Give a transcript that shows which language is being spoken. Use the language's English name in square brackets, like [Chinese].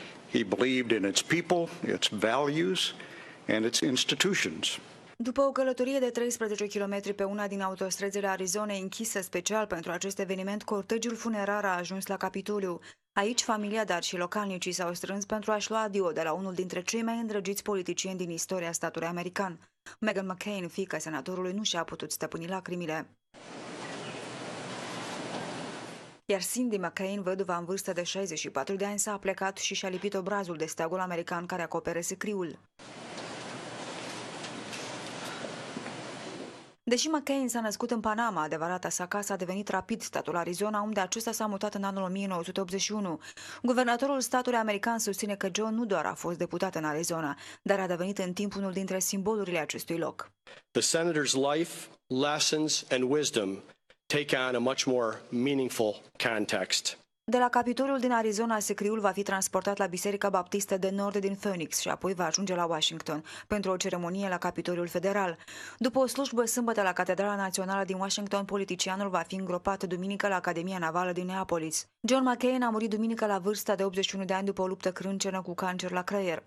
[English] He believed in its people, its values, and its institutions. [Romanian] După o călătorie de 13 km pe una din autostrăzile Arizonei închise special pentru acest eveniment, cortegiul funerar a ajuns la Capitoliu. Aici, familia, dar și localnicii s-au strâns pentru a-și lua adio de la unul dintre cei mai îndrăgiți politicieni din istoria statului american. Meghan McCain, fiica senatorului, nu și-a putut stăpâni lacrimile. Iar Cindy McCain, văduva în vârstă de 64 de ani, s-a plecat și și-a lipit obrazul de steagul american care acopere sicriul. Deși McCain s-a născut în Panama, adevărata sa casă a devenit rapid statul Arizona, unde acesta s-a mutat în anul 1981. Guvernatorul statului american susține că John nu doar a fost deputat în Arizona, dar a devenit în timp unul dintre simbolurile acestui loc. [English] The senator's life, lessons and wisdom take on a much more meaningful context. [Romanian] De la Capitolul din Arizona, sicriul va fi transportat la Biserica Baptistă de Nord din Phoenix și apoi va ajunge la Washington pentru o ceremonie la Capitolul Federal. După o slujbă sâmbătă la Catedrala Națională din Washington, politicianul va fi îngropat duminică la Academia Navală din Neapolis. John McCain a murit duminică la vârsta de 81 de ani după o luptă crâncenă cu cancer la creier.